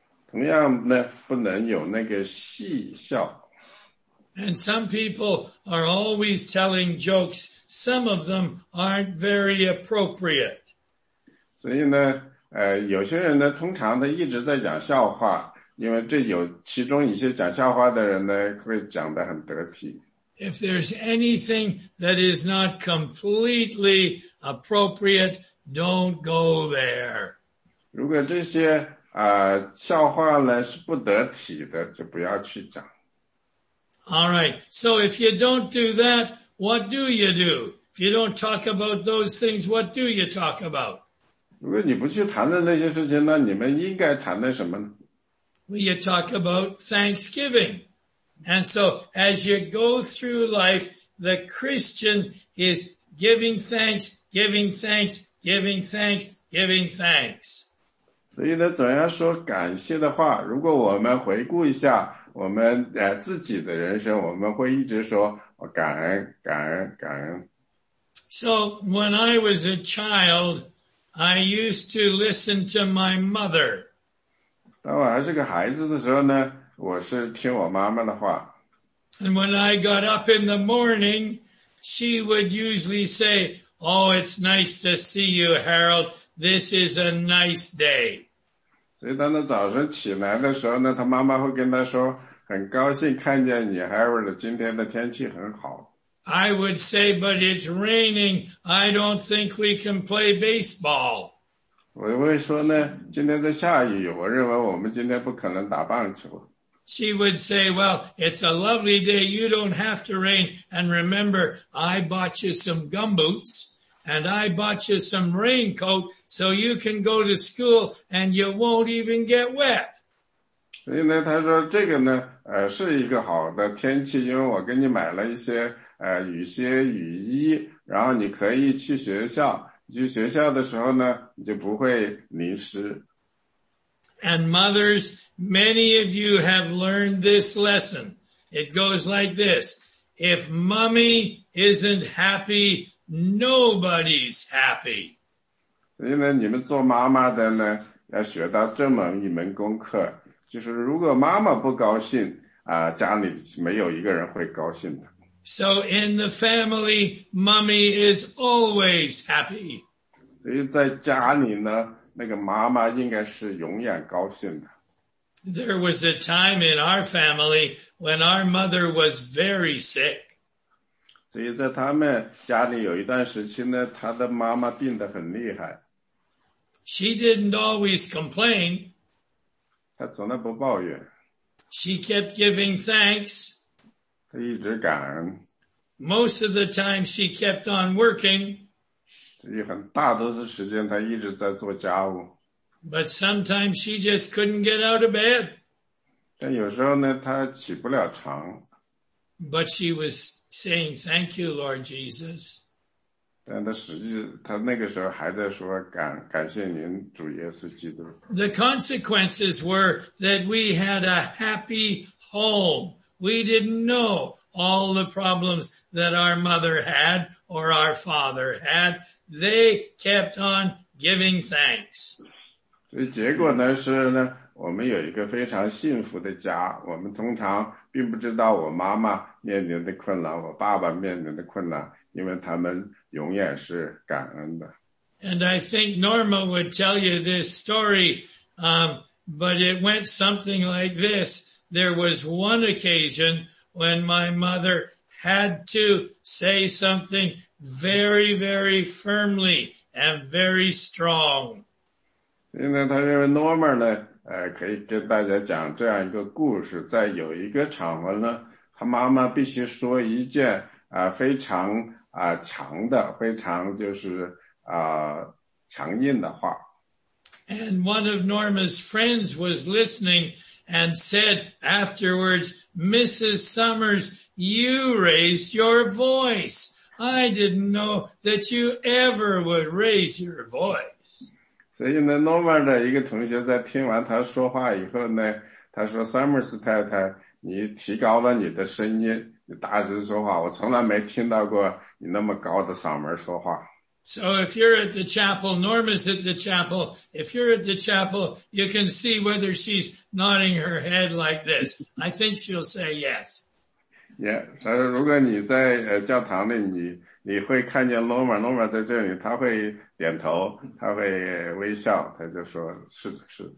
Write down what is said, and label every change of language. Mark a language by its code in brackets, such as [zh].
[zh] 同样呢不能有那个戏笑。 [en] And some people are always telling jokes, some of them aren't very appropriate. [zh] 所以呢有些人呢通常呢一直在讲笑话因为这有其中一些讲笑话的人呢会讲得很得体。 [en] If there's anything that is not completely appropriate, don't go there. [zh] 如果这些笑话呢是不得体的就不要去讲。 [en] Alright, so if you don't do that, what do you do? If you don't talk about those things, what do you talk about? [zh] 如果你不去谈的那些事情那你们应该谈的什么呢 [en] Well, you talk about Thanksgiving. And so as you go through life, the Christian is giving thanks, giving thanks, giving thanks, giving thanks. [zh] 所以呢总要说感谢的话如果我们回顾一下我们自己的人生我们会一直说感恩感恩感恩。 [en] So, when I was a child, I used to listen to my mother. [zh] 当我还是个孩子的时候呢我是听我妈妈的话。 [en] And when I got up in the morning, she would usually say,Oh, it's nice to see you, Harold. This is a nice day. [zh] 所以当他早上起来的时候呢，他妈妈会跟他说，很高兴看见你，Harold，今天的天气很好。 [en] I would say, but it's raining. I don't think we can play baseball. [zh] 我会说呢，今天在下雨，我认为我们今天不可能打棒球。 [en] She would say, well, it's a lovely day. You don't have to rain. And remember, I bought you some gumboots and I bought you some raincoat so you can go to school and you won't even get wet. [zh] 所以呢，他说这个呢，是一个好的天气，因为我给你买了一些雨鞋、雨衣，然后你可以去学校。去学校的时候呢，你就不会淋湿。 [en] And mothers, many of you have learned this lesson. It goes like this. If mommy isn't happy, nobody's happy. [zh] 所以呢，你们做妈妈的呢，要学到这么一门功课，就是如果妈妈不高兴，家里没有一个人会高兴的。 [en] So in the family, mommy is always happy. [zh] 所以在家里呢，那个妈妈应该是永远高兴的。 [en] There was a time in our family when our mother was very sick. [zh] 所以在他们家里有一段时期呢，他的妈妈病得很厉害。 [en] She didn't always complain. [zh] 她从来不抱怨。 [en] She kept giving thanks. [zh] 她一直感恩。 [en] Most of the time she kept on working. [zh] 所以很大多数时间他一直在做家务。 [en] But sometimes she just couldn't get out of bed. [zh] 但有时候呢他起不了床。 [en] But she was saying, thank you, Lord Jesus. [zh] 但他实际他那个时候还在说感谢您主耶稣基督。 [en] The consequences were that we had a happy home. We didn't know all the problems that our mother had or our father had. They kept on giving thanks. [zh] 所以结果呢是呢我们有一个非常幸福的家我们通常并不知道我妈妈面临的困难我爸爸面临的困难因为他们永远是感恩的。 [en] And I think Norma would tell you this story, but it went something like this. There was one occasion when my mother had to say something very, very firmly and very strong. [zh] 所以呢他认为 Norma 呢可以跟大家讲这样一个故事在有一个场合呢他妈妈必须说一件非常强的非常就是强硬的话。 [en] And one of Norma's friends was listening and said afterwards, Mrs. Summers, you raised your voice. I didn't know that you ever would raise your voice. [zh] 所以呢 ,Norma 的一个同学在听完他说话以后呢他说 Summers 太太你提高了你的声音你大声说话我从来没听到过你那么高的嗓门说话。 [en] So if you're at the chapel, Norma's at the chapel, if you're at the chapel, you can see whether she's nodding her head like this. I think she'll say yes. [zh] Yeah, 他说如果你在教堂里你会看见 Norma 在这里他会点头他会微笑他就说是的是的。